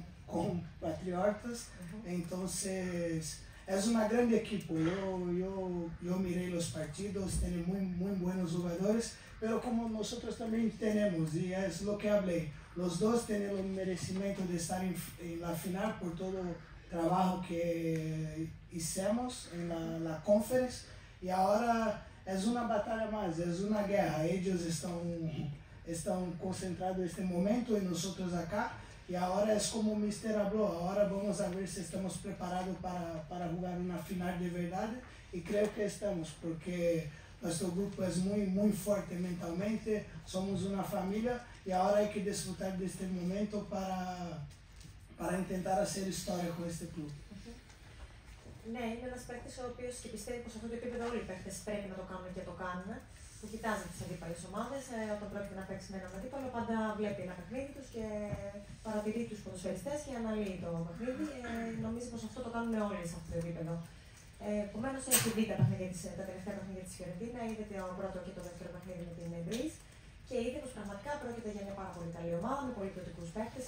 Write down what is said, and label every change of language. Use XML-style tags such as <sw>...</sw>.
<es>compatriotas, entonces es una gran equipo, yo miré los partidos, tiene muy, muy buenos jugadores, pero como nosotros también tenemos, y es lo que hablé, los dos tienen el merecimiento de estar en la final por todo el trabajo que hicimos en la conference, y ahora es una batalla más, es una guerra, ellos están concentrados en este momento y nosotros acá.</es> <pt>E agora é como o Mister falou, agora vamos a ver se estamos preparados para jogar uma final de verdade. E creio que estamos, porque nosso grupo é muito, muito forte mentalmente, somos uma família e agora é que desfrutar deste momento para tentar fazer história com este clube.</pt> <el>Ναι, είναι ένας παίκτης ο οποίος και πιστεύει πως σε αυτό το επίπεδο όλοι οι παίκτες πρέπει να το κάνουν και το κάνουν. Που κοιτάζει τις αντίπαλες ομάδες, όταν πρόκειται να παίξει με έναν αντίπαλο, πάντα βλέπει ένα παιχνίδι τους και παρατηρεί τους ποδοσφαιριστές και αναλύει το παιχνίδι. Νομίζει πως αυτό το κάνουν όλοι σε αυτό το επίπεδο. Επομένως, έχει δει τα τελευταία παιχνίδια της Φιωρεντίνα, είδε το πρώτο και το δεύτερο παιχνίδι με την Μπρις και είδε πως πραγματικά πρόκειται για μια πάρα πολύ καλή ομάδα με πολύ ποιοτικούς παίκτες.</el>